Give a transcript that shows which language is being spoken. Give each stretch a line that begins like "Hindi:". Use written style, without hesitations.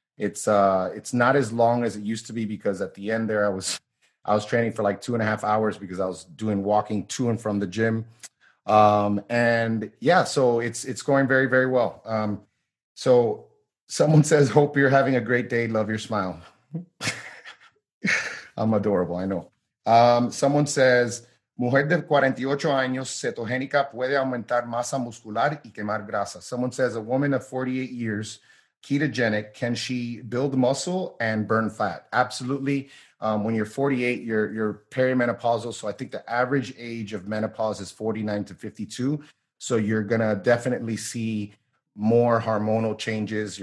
English: It's not as long as it used to be, because at the end there, I was training for like 2.5 hours because I was doing walking to and from the gym. And yeah, so it's going very, very well. So someone says, hope you're having a great day. Love your smile. I'm adorable. I know. Someone says,
Spanish: mujer de 48 años, cetogénica puede aumentar masa muscular y quemar grasa.
English: Someone says, a woman of 48 years, ketogenic, can she build muscle and burn fat? Absolutely. When you're 48, you're perimenopausal. So I think the average age of menopause is 49 to 52. So you're going to definitely see more hormonal changes.